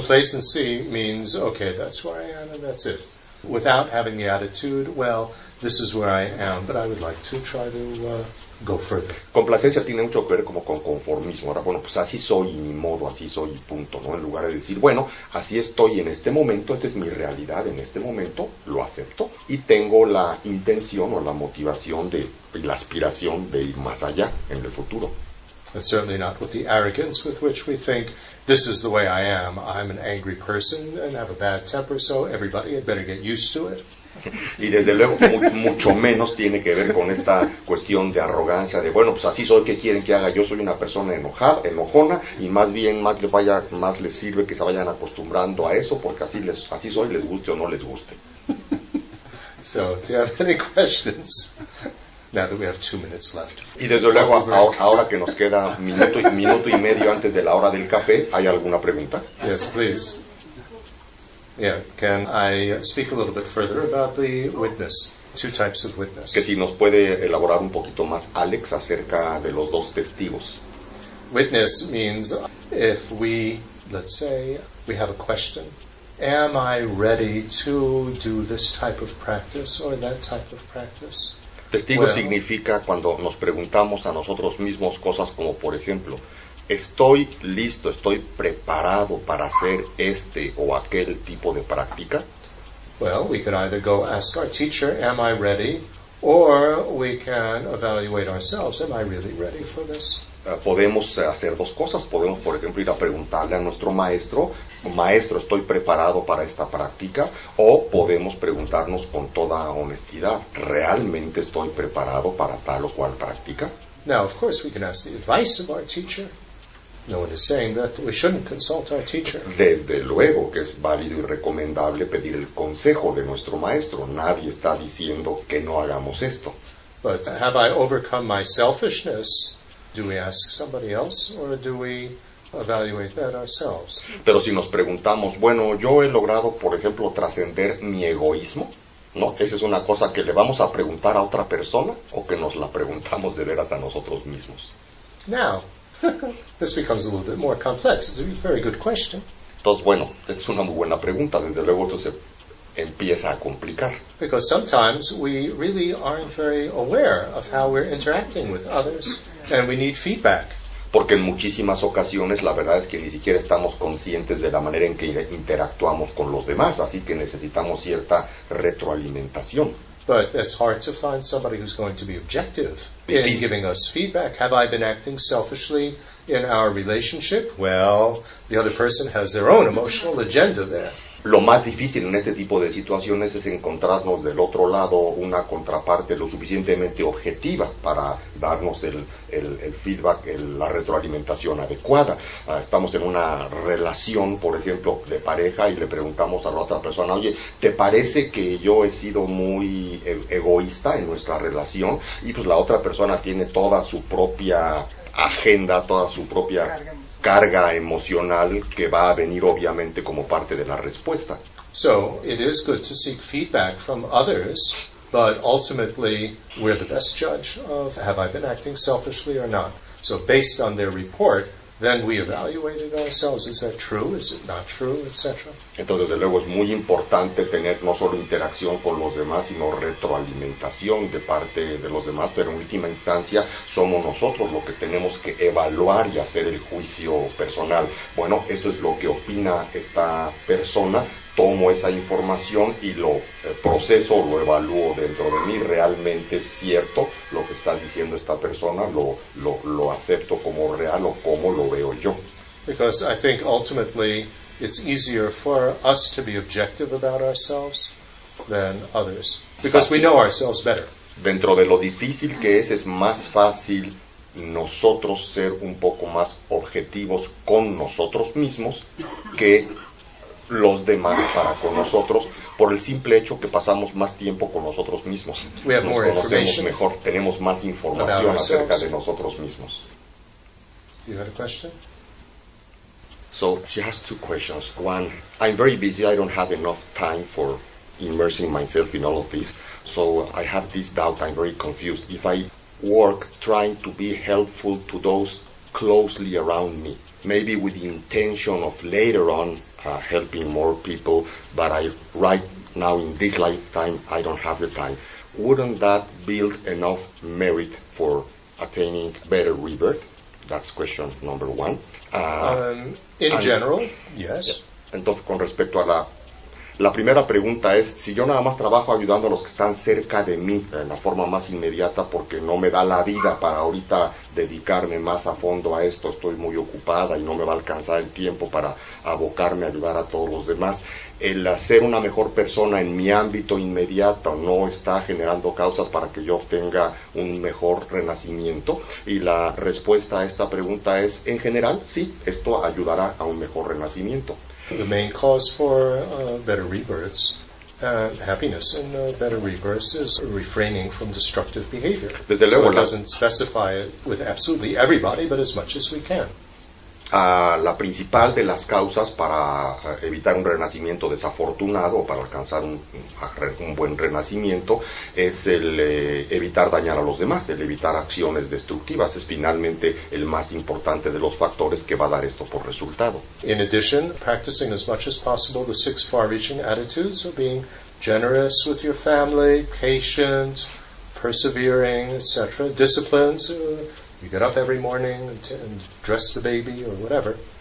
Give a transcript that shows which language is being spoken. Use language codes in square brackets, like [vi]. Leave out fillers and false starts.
[en] Complacency means, okay, that's where I am and that's it. Without having the attitude, well, this is where I am, but I would like to try to go further. [es] Complacencia tiene mucho que ver como con conformismo. Ahora, bueno, pues así soy y ni modo, así soy y punto, ¿no? En lugar de decir, bueno, así estoy en este momento, esta es mi realidad en este momento, lo acepto, y tengo la intención o la motivación de, y la aspiración de ir más allá en el futuro. [en] And certainly not with the arrogance with which we think, this is the way I am, I'm an angry person and have a bad temper, so everybody had better get used to it. [es] Y desde luego mucho menos tiene que ver con esta cuestión de arrogancia, de bueno, pues así soy, ¿qué quieren que haga? Yo soy una persona enojada, enojona, y más bien más les sirve que se vayan acostumbrando a eso, porque así soy, les guste o no les guste. [en] So, do you have any questions? Now that we have 2 minutes left. [es] Y desde luego, ahora que nos queda minuto y medio antes de la hora del café, ¿hay alguna pregunta? [en] Yes, please. Yeah, can I speak a little bit further about the witness, two types of witness? [es] Que si nos puede elaborar un poquito más, Alex, acerca de los dos testigos. [en] Witness means if we, let's say, we have a question. Am I ready to do this type of practice or that type of practice? [es] Testigo well, significa cuando nos preguntamos a nosotros mismos cosas como, por ejemplo, ¿estoy listo, estoy preparado para hacer este o aquel tipo de práctica? [en] Well, we could either go ask our teacher, am I ready? Or we can evaluate ourselves, am I really ready for this? [es] Podemos hacer dos cosas. Podemos, por ejemplo, ir a preguntarle a nuestro maestro, maestro, ¿estoy preparado para esta práctica? O podemos preguntarnos con toda honestidad, ¿realmente estoy preparado para tal o cual práctica? [en] Now, of course, we can ask the advice of our teacher. No one is saying that we shouldn't consult our teacher. [es] Desde luego que es válido y recomendable pedir el consejo de nuestro maestro. Nadie está diciendo que no hagamos esto. [en] But have I overcome my selfishness? Do we ask somebody else, or do we evaluate that ourselves. [es] Pero si nos preguntamos, bueno, yo he logrado, por ejemplo, trascender mi egoísmo, ¿no? Esa es una cosa que le vamos a preguntar a otra persona o que nos la preguntamos de veras a nosotros mismos. [en] Now, this becomes a little bit more complex. It's a very good question. [es] Entonces, bueno, es una muy buena pregunta. Desde luego, esto se empieza a complicar. [en] Because sometimes we really aren't very aware of how we're interacting with others, and we need feedback. [es] Porque en muchísimas ocasiones la verdad es que ni siquiera estamos conscientes de la manera en que interactuamos con los demás, así que necesitamos cierta retroalimentación. [en] But it's hard to find somebody who's going to be objective in giving us feedback. Have I been acting selfishly in our relationship? Well, the other person has their own emotional agenda there. [es] Lo más difícil en este tipo de situaciones es encontrarnos del otro lado una contraparte lo suficientemente objetiva para darnos el feedback, la retroalimentación adecuada. Estamos en una relación, por ejemplo, de pareja y le preguntamos a la otra persona, oye, ¿te parece que yo he sido muy egoísta en nuestra relación? Y pues la otra persona tiene toda su propia agenda, toda su propia carga emocional que va a venir obviamente como parte de la respuesta. [en] So, it is good to seek feedback from others, but ultimately we're the best judge of have I been acting selfishly or not. So, based on their report, then we evaluate it ourselves. Is that true? Is it not true? Etc. [es] Entonces, desde luego, es muy importante tener no solo interacción con los demás, sino retroalimentación de parte de los demás, pero en última instancia somos nosotros los que tenemos que evaluar y hacer el juicio personal. Bueno, esto es lo que opina esta persona, tomo esa información y lo proceso, lo evalúo dentro de mí, realmente es cierto lo que está diciendo esta persona, lo acepto como real o como lo veo yo. [en] Because I think ultimately it's easier for us to be objective about ourselves than others, because we know ourselves better. [es] Dentro de lo difícil que es más fácil nosotros ser un poco más objetivos con nosotros mismos que los demás para con nosotros, por el simple hecho que pasamos más tiempo con nosotros mismos. [en] We have more information. [es] Nos conocemos mejor, tenemos más información acerca de nosotros mismos. [en] You had a question? So, she has two questions. One, I'm very busy, I don't have enough time for immersing myself in all of this, so I have this doubt, I'm very confused. If I work trying to be helpful to those closely around me, maybe with the intention of later on helping more people, but I right now in this lifetime, I don't have the time, wouldn't that build enough merit for attaining better rebirth? That's question number one. In general, yes. [es] Entonces, con respecto a la primera pregunta es, si yo nada más trabajo ayudando a los que están cerca de mí en la forma más inmediata porque no me da la vida para ahorita dedicarme más a fondo a esto, estoy muy ocupada y no me va a alcanzar el tiempo para abocarme a ayudar a todos los demás, el ser una mejor persona en mi ámbito inmediato no está generando causas para que yo obtenga un mejor renacimiento. Y la respuesta a esta pregunta es, en general, sí, esto ayudará a un mejor renacimiento. [en] The main cause for better rebirths, happiness in better rebirths, is refraining from destructive behavior. [es] Desde luego, [en] so it doesn't specify it with absolutely everybody, but as much as we can. [es] La principal de las causas para evitar un renacimiento desafortunado o para alcanzar un buen renacimiento es el evitar dañar a los demás, el evitar acciones destructivas. Es finalmente el más importante de los factores que va a dar esto por resultado. [en] In addition, practicing as much as possible the six far-reaching attitudes of being generous with your family, patient, persevering, etc., disciplined. You get up every morning and dress the baby or whatever.